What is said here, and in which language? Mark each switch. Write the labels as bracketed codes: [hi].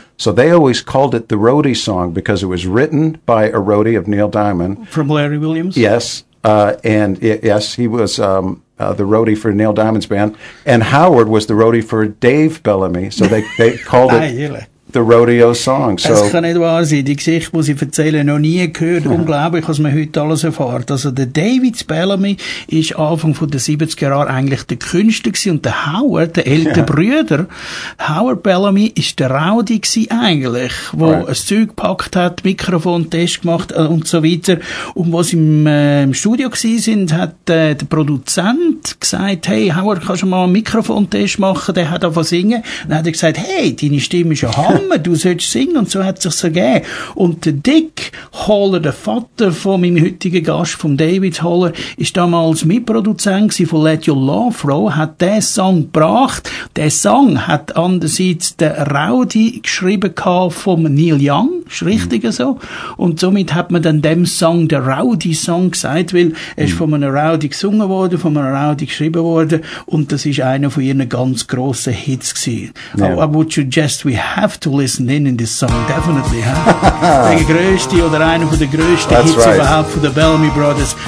[en] So they always called it the roadie song because it was written by a roadie of Neil Diamond. From Larry Williams? Yes. Yes, he was the roadie for Neil Diamond's band, and Howard was the roadie for Dave Bellamy, so they called it the rodeo song. So [de] es kann nicht wahr sein, die Geschichte muss ich erzählen, noch nie gehört, unglaublich, was man heute alles erfahrt. Also der David Bellamy ist Anfang von den 70er Jahren eigentlich der Künstler gewesen und der Howard, der ältere Bruder, Howard Bellamy ist der Rowdy gewesen eigentlich, wo ein Zeug gepackt hat, Mikrofon, Test gemacht und so weiter. Und was im Studio gewesen sind, hat der Produzent gesagt, hey Howard, kannst du mal einen Mikrofon Test machen, der hat davon singen. Dann hat er gesagt, hey, deine Stimme ist ja Hammer, du sollst singen, und so hat es sich so gegeben. Und der Dick Haller, der Vater von meinem heutigen Gast, von David Haller, ist damals Mitproduzent gewesen von Let Your Love Flow, hat den Song gebracht. Der Song hat andererseits der Rowdy geschrieben gehabt vom Neil Young, ist richtig so. Und somit hat man dann dem Song der Rowdy Song gesagt, weil er ist von einem Rowdy gesungen worden, von einem Rowdy geschrieben worden, und das ist einer von ihren ganz grossen Hits gewesen. [en] Yeah. I would suggest we have to listen in this song, definitely. Huh? [de] Der grösste oder einer von den grössten Hits überhaupt von den Bellamy Brothers.